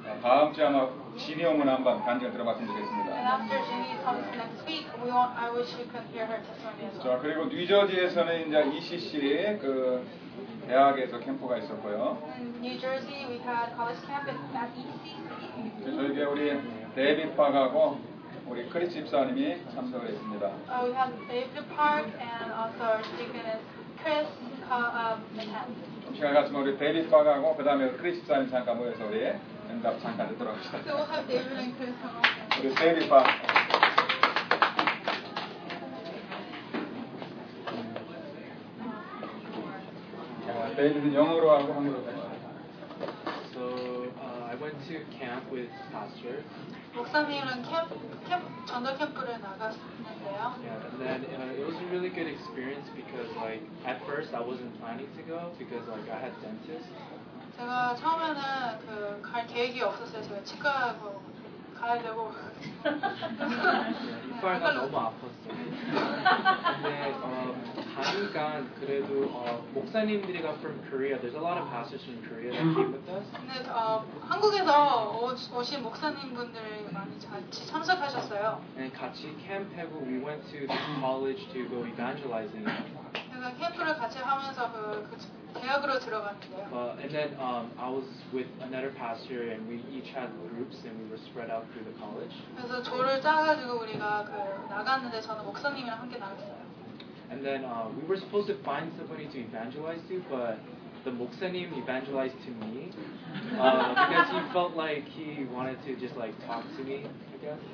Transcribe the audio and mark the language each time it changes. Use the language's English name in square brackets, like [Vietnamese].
[Korean] 다음 주에 아마 진이 형은 한번 간증을 들어봤으면 좋겠습니다. [English] And after Jimmy comes next week, I wish you could hear her testimony as well. [Korean] 자, 그리고 뉴저지에서는 이제 ECC의 그 대학에서 캠프가 있었고요. [English] In New Jersey, we had college camp at ECC. [Korean] 그래서 이게 우리 데이빗 박하고 우리 크리스 집사님이 참석을 했습니다. [English] We have David Park and also our deaconess Chris attend. [Korean] 시간 같으면 우리 데이빗 박하고 그 다음에 크리스 집사님 잠깐 모여서 우리 응답 잠깐 듣도록 합시다. [English] So we'll have David and Chris come on. [Korean] 우리 데이빗 박. 데이빗은 영어로 하고 한국어로 하고. [English] So I went to camp with pastor. [Korean] 목사님은 전도 캠프를 나갔는데요. [English] Yeah, and then it was a really good experience because like at first I wasn't planning to go because like I had dentist. [Korean] 제가 처음에는 그 갈 계획이 없었어요. 제가 치과하고 가야 되고. 이빨이 너무 아팠어요. 근데 가니까 그래도 목사님들이가 [English] from Korea. There's a lot of pastors from Korea that came with us. [Korean] 근데 한국에서 오신 목사님분들 많이 같이 참석하셨어요. [English] And [Korean] 같이 캠프하고 [English] we went to the college to go evangelizing. [Korean] 그래서 캠프를 같이 하면서 대학으로 들어갔대요. [English] And then I was with another pastor and we each had groups and we were spread out through the college. [Korean] 그래서 조를 짜가지고 우리가 나갔는데 저는 목사님이랑 함께 나갔어요. [English] And then we were supposed to find somebody to evangelize to, but the 목사님 evangelized to me because he felt like he wanted to just like talk to me, I guess.